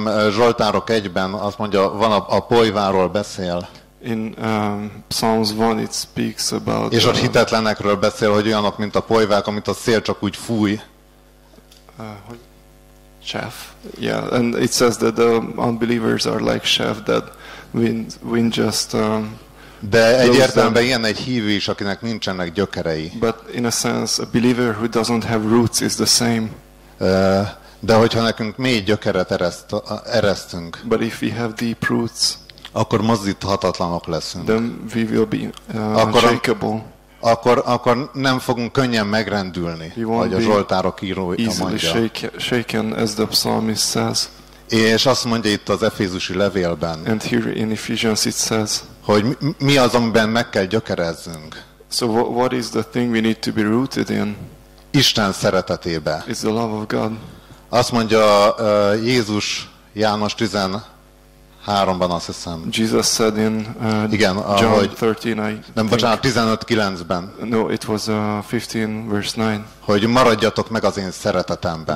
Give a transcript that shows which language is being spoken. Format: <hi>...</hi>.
<hu>Zsoltárok 1-ben azt mondja, van a polyváról beszél.</hu> <en>In Psalms 1 it speaks about.</en> <hu>És a hitetlenekről beszél, hogy olyanok, mint a polyvák, amit a szél csak úgy fúj.</hu> <en>Chaff. Yeah, and it says that the unbelievers are like chaff that wind just.</en> <hu>De egy értelemben ilyen egy hívő is, akinek nincsenek gyökerei.</hu> <en>But in a sense, a believer who doesn't have roots is the same.</en> <hu>De hogyha nekünk mély gyökeret eresztünk,</hu> <en>but if we have deep roots,</en> <hu>akkor mozdíthatatlanok leszünk.</hu> <en>Then we will be unshakable.</en> <hu>Akkor nem fogunk könnyen megrendülni, ahogy a Zsoltárok írója mondja.</hu> <en>Shaken, as the psalmist says.</en> <hu>És azt mondja itt az Efézusi levélben,</hu> <en>and here in Ephesians it says,</en> <hu>hogy mi az, amiben meg kell gyökerezzünk.</hu> <en>So what is the thing we need to be rooted in?</en> <hu>Isten szeretetébe.</hu> <en>It's the love of God.</en> <hu>Azt mondja Jézus János 13-ban, azt hiszem.</hu> <en>Jesus said in</en> <hu>igen,</hu> <en>John</en> <hu>ahogy,</hu> <en>13, I</en> <hu>nem,</hu> <en>think.</en> <hu>Bocsánat, 15:9-ben.</hu> <en>No, it was 15 verse 9.</en> <hu>Hogy maradjatok meg az én szeretetemben.</hu>